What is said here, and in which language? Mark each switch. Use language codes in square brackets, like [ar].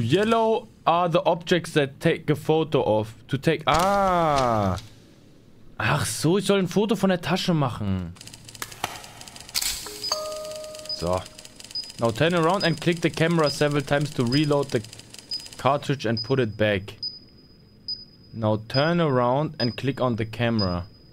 [en] Yellow are the objects that take a photo of. To take... Ah. [de] Ach so, ich soll ein Foto von der Tasche machen. So. [en] Now turn around and click the camera several times to reload the cartridge and put it back. Now turn around and click on the camera.